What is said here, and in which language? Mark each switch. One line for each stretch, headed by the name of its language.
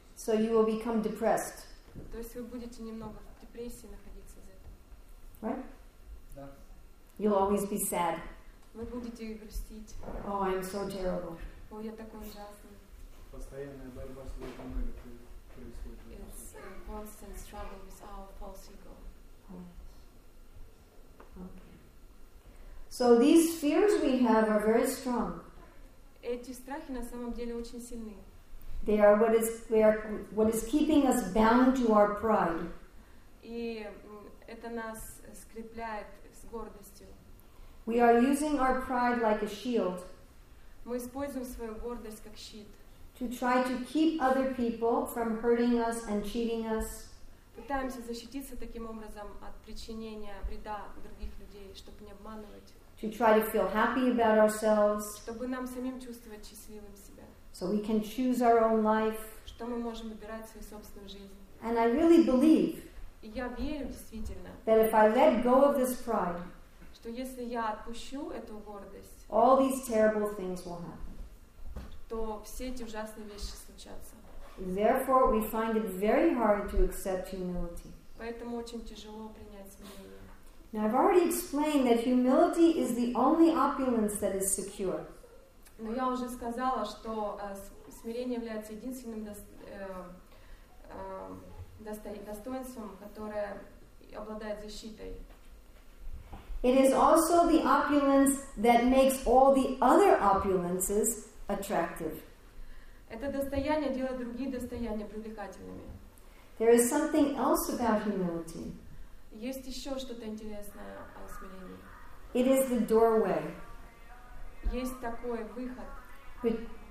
English: So you will become depressed.
Russian: То есть вы будете немного в депрессии находиться из-за этого.
English: Right?
Russian: Да.
English: You'll always be sad.
Russian: Вы будете грустить.
English: Oh, I'm so terrible.
Russian: О, я такой ужасный. Постоянная борьба с лукомой.
English: It's a constant struggle with our false ego. Okay. So these fears we have are very strong.
Russian: Эти страхи на самом деле очень сильны.
English: They are what is keeping us bound to our pride.
Russian: И это нас скрепляет с гордостью.
English: We are using our pride like a shield.
Russian: Мы используем свою гордость как щит.
English: To try to keep other people from hurting us and cheating us.
Russian: Пытаемся защититься таким образом от причинения вреда других людей, чтобы не обманывать.
English: To try to feel happy about ourselves.
Russian: Чтобы нам самим чувствовать счастливым себя.
English: So we can choose our own life.
Russian: Что мы можем выбирать свою собственную жизнь.
English: And I really believe
Russian: я верю действительно,
English: that if I let go of this pride,
Russian: что если я отпущу эту гордость,
English: all these terrible things will happen.
Russian: То все эти ужасные вещи случатся.
English: Therefore, we find it very hard to accept humility.
Russian: Поэтому очень тяжело принять смирение.
English: Now, I've already explained that humility is the only opulence that is secure.
Russian: Но я уже сказала, что смирение является единственным достоинством, которое обладает защитой.
English: It is also the opulence that makes all the other opulences attractive.
Russian: Это достояние делает другие достояния привлекательными.
English: There is something else about humility.
Russian: Есть еще что-то интересное о смирении.
English: It is the doorway.
Russian: Есть такой выход.